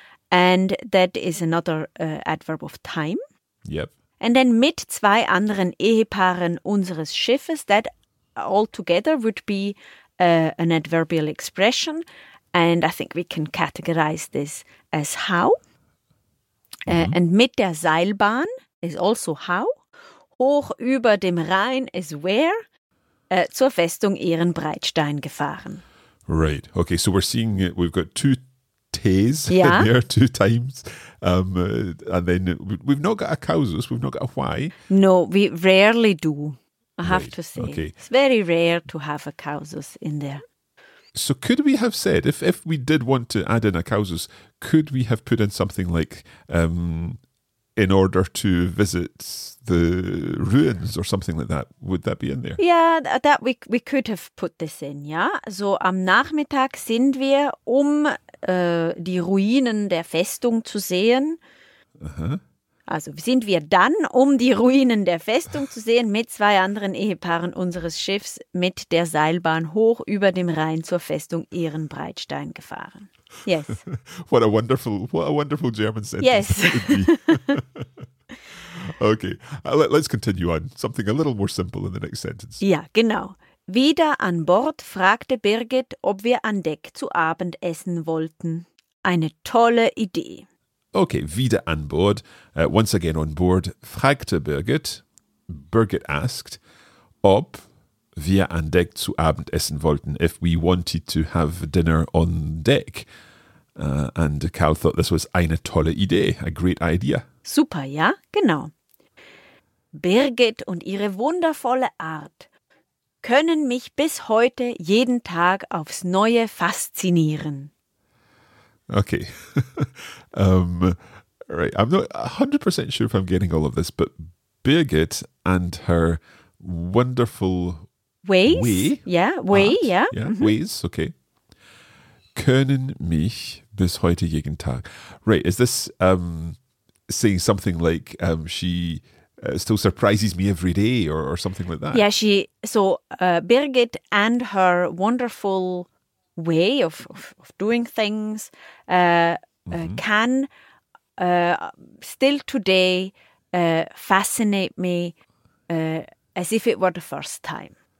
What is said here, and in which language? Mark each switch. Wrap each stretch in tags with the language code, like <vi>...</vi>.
<en>And that is another adverb of time. Yep. And then</en> <de>mit zwei anderen Ehepaaren unseres Schiffes,</de> <en>that all together would be an adverbial expression. And I think we can categorize this as how. Mm-hmm. And</en> <de>mit der Seilbahn</de> <en>is also how.</en> <de>Hoch über dem Rhein</de> <en>is where.</en> <de>Zur Festung Ehrenbreitstein gefahren.</de> <en>Right. Okay, so we're seeing we've got two T's in there, two times. And then we've not got a causus, we've not got a why. No, we rarely do, to say. Okay. It's very rare to have a causus in there. So could we have said, if we did want to add in a causus, could we have put in something like, in order to visit the ruins or something like that? Would that be in there? Yeah, that we could have put this in, yeah?</en> <de>So am Nachmittag sind wir die Ruinen der Festung zu sehen. Also sind wir dann, die Ruinen der Festung zu sehen, mit zwei anderen Ehepaaren unseres Schiffs mit der Seilbahn hoch über dem Rhein zur Festung Ehrenbreitstein gefahren.</de> <en>Yes. What a wonderful German sentence. Yes. Okay, let's continue on. Something a little more simple in the next sentence.</en> <de>Ja, genau. Wieder an Bord fragte Birgit, ob wir an Deck zu Abend essen wollten. Eine tolle Idee.</de> <en>Okay,</en> <de>wieder an Bord.</de> <en>Once again on board,</en> <de>fragte Birgit.</de> <en>Birgit asked,</en> <de>ob wir an Deck zu Abend essen wollten,</de> <en>if we wanted to have dinner on deck. And Karl thought this was</en> <de>eine tolle Idee,</de> <en>a great idea.</en> <de>Super, ja, genau. Birgit und ihre wundervolle Art können mich bis heute jeden Tag aufs Neue faszinieren.</de> <en>Okay. right, I'm not 100% sure if I'm getting all of this, but Birgit and her wonderful ways, okay.</en> <de>Können mich bis heute jeden Tag.</de> <en>Right, is this saying something like she... still surprises me every day or something like that. Yeah, Birgit and her wonderful way of doing things can still today fascinate me as if it were the first time.</en>